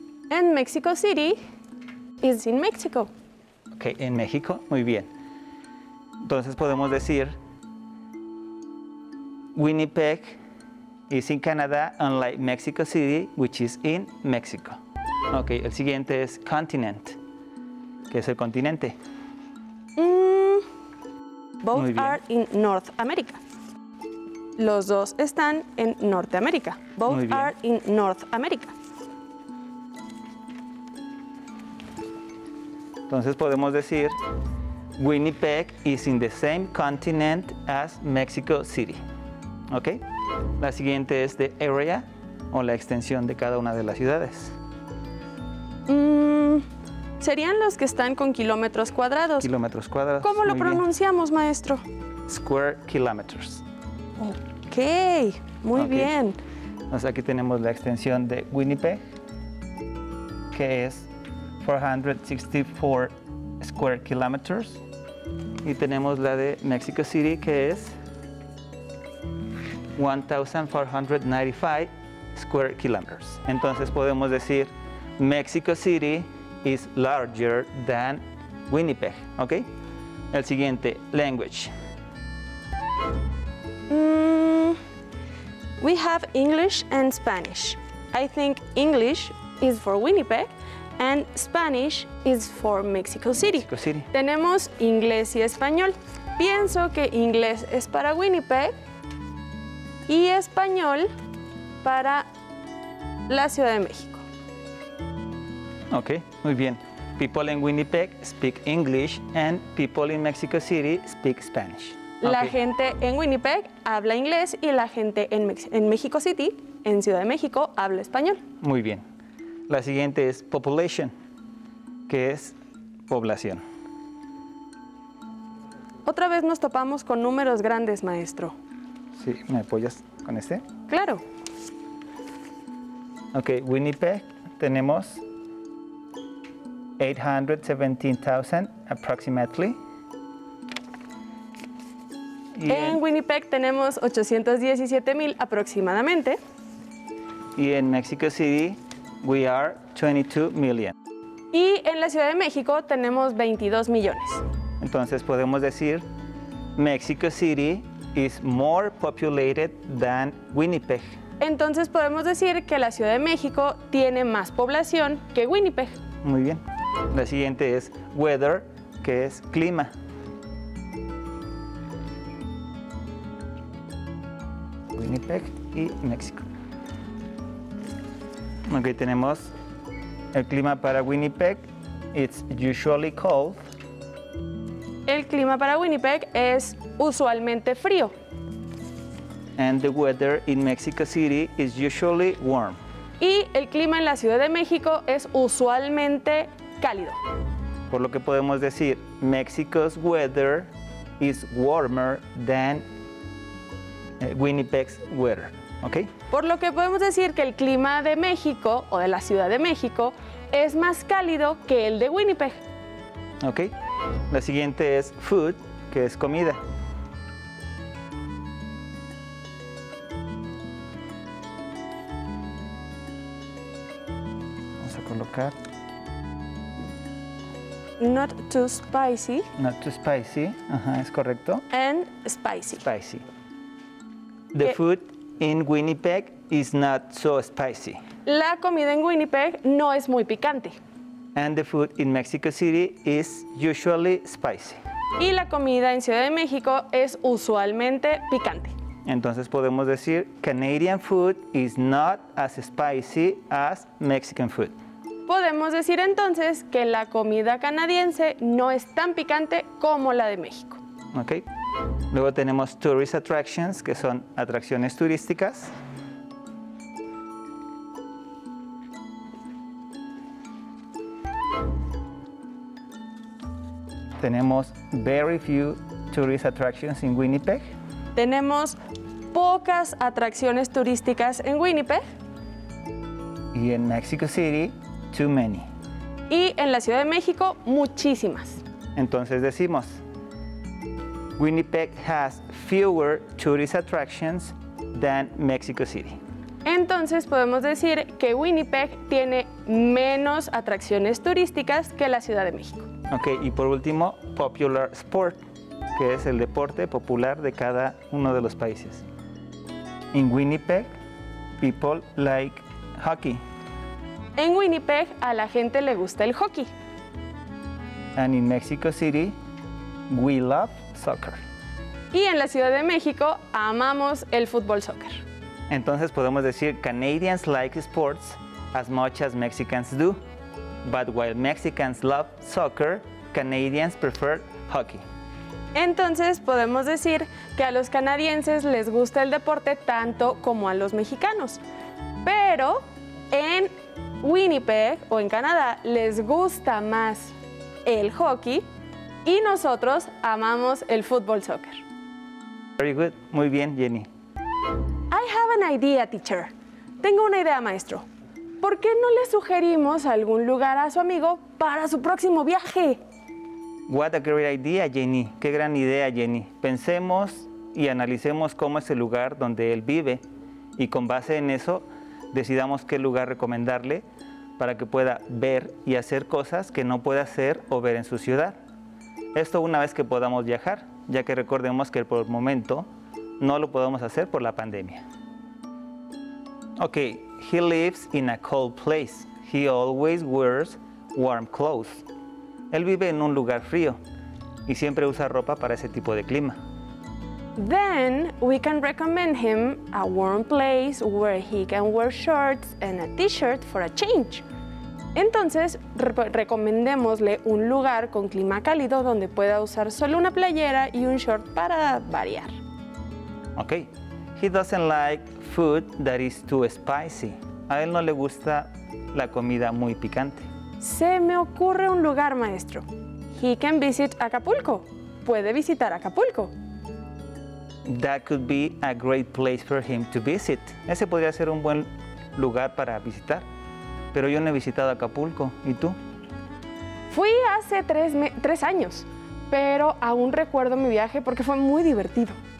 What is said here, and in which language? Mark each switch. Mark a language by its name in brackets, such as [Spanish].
[English] And Mexico City is in Mexico. [Spanish] Ok, en México, muy bien. Entonces podemos decir, [English] Winnipeg is in Canada, unlike Mexico City, which is in Mexico. [Spanish] Ok, el siguiente es continent, que es el continente. [English] Both are in North America. [Spanish] Los dos están en Norteamérica. [English] Both are in North America. [Spanish] Entonces podemos decir, [English] Winnipeg is in the same continent as Mexico City. [Spanish] ¿Ok? La siguiente es [English] the area, [Spanish] o la extensión de cada una de las ciudades. Serían los que están con kilómetros cuadrados. Kilómetros cuadrados. ¿Cómo lo pronunciamos, bien. Maestro? [English] Square kilometers. [Spanish] Ok, muy okay. bien. Entonces aquí tenemos la extensión de Winnipeg, que es 464 [English] square kilometers. [Spanish] Y tenemos la de Mexico City, que es 1,495 [English] square kilometers. [Spanish] Entonces podemos decir, [English] Mexico City is larger than Winnipeg, ¿ok? [Spanish] El siguiente, language. [English] We have English and Spanish. I think English is for Winnipeg and Spanish is for Mexico City. Mexico City. [Spanish] Tenemos inglés y español. Pienso que inglés es para Winnipeg y español para la Ciudad de México. Ok, muy bien. [English] People in Winnipeg speak English and people in Mexico City speak Spanish. Okay. [Spanish] La gente en Winnipeg habla inglés y la gente en Mexico City, en Ciudad de México, habla español. Muy bien. La siguiente es population, que es población. Otra vez nos topamos con números grandes, maestro. Sí, ¿me apoyas con este? Claro. Ok, Winnipeg, tenemos 817,000 approximately. Y en Winnipeg tenemos 817,000 aproximadamente. [English] Y en Mexico City, we are 22 million. [Spanish] Y en la Ciudad de México tenemos 22 millones. Entonces podemos decir, [English] Mexico City is more populated than Winnipeg. [Spanish] Entonces podemos decir que la Ciudad de México tiene más población que Winnipeg. Muy bien. La siguiente es weather, que es clima. Winnipeg y México. Aquí tenemos el clima para Winnipeg. [English] It's usually cold. [Spanish] El clima para Winnipeg es usualmente frío. [English] and the weather in Mexico City is usually warm. [Spanish] Y el clima en la Ciudad de México es usualmente cálido. Por lo que podemos decir, [English] Mexico's weather is warmer than Winnipeg's weather, ¿okay? [Spanish] Por lo que podemos decir que el clima de México o de la Ciudad de México es más cálido que el de Winnipeg. ¿Okay? La siguiente es food, que es comida. Vamos a colocar. [English] Not too spicy. Not too spicy, [Spanish] ajá, es correcto. [English] And spicy. Spicy. The food in Winnipeg is not so spicy. [Spanish] La comida en Winnipeg no es muy picante. [English] And the food in Mexico City is usually spicy. [Spanish] Y la comida en Ciudad de México es usualmente picante. Entonces podemos decir, [English] Canadian food is not as spicy as Mexican food. [Spanish] Podemos decir entonces que la comida canadiense no es tan picante como la de México. Ok. Luego tenemos [English] tourist attractions, [Spanish] que son atracciones turísticas. Tenemos [English] very few tourist attractions in Winnipeg. [Spanish] Tenemos pocas atracciones turísticas en Winnipeg. [English] Y en Mexico City, too many. [Spanish] Y en la Ciudad de México, muchísimas. Entonces decimos, [English] Winnipeg has fewer tourist attractions than Mexico City. [Spanish] Entonces podemos decir que Winnipeg tiene menos atracciones turísticas que la Ciudad de México. Ok, y por último, [English] popular sport, [Spanish] que es el deporte popular de cada uno de los países. [English] In Winnipeg, people like hockey. [Spanish] En Winnipeg, a la gente le gusta el hockey. [English] And in Mexico City, we love soccer. [Spanish] Y en la Ciudad de México, amamos el fútbol soccer. Entonces podemos decir, [English] Canadians like sports as much as Mexicans do. But while Mexicans love soccer, Canadians prefer hockey. [Spanish] Entonces podemos decir que a los canadienses les gusta el deporte tanto como a los mexicanos. Pero en Winnipeg o en Canadá les gusta más el hockey y nosotros amamos el fútbol soccer. [English] Very good. [Spanish] Muy bien, [English] Jenny. I have an idea, teacher. [Spanish] Tengo una idea, maestro. ¿Por qué no le sugerimos algún lugar a su amigo para su próximo viaje? [English] What a great idea, Jenny. [Spanish] Qué gran idea, [English] Jenny. [Spanish] Pensemos y analicemos cómo es el lugar donde él vive y con base en eso decidamos qué lugar recomendarle para que pueda ver y hacer cosas que no puede hacer o ver en su ciudad. Esto una vez que podamos viajar, ya que recordemos que por el momento no lo podemos hacer por la pandemia. [English] Okay. He lives in a cold place. He always wears warm clothes. [Spanish] Él vive en un lugar frío y siempre usa ropa para ese tipo de clima. [English] Then we can recommend him a warm place where he can wear shorts and a t-shirt for a change. [Spanish] Entonces, recomendémosle un lugar con clima cálido donde pueda usar solo una playera y un short para variar. [English] Okay. He doesn't like food that is too spicy. [Spanish] A él no le gusta la comida muy picante. Se me ocurre un lugar, maestro. [English] He can visit Acapulco. [Spanish] Puede visitar Acapulco. [English] That could be a great place for him to visit. [Spanish] Ese podría ser un buen lugar para visitar. Pero yo no he visitado Acapulco. ¿Y tú? Fui hace tres años, pero aún recuerdo mi viaje porque fue muy divertido.